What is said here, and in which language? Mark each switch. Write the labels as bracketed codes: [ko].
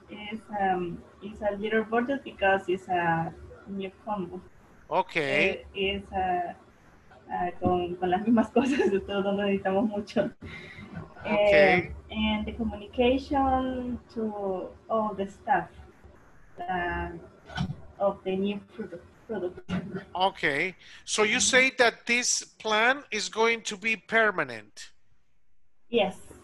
[en] is a little budget because it's a new combo. Okay. [es] Es con las mismas cosas de todo, no necesitamos mucho. [en] Okay. And the communication to all the staff of the new product. Okay. So you say that this plan is going to be permanent? Yes.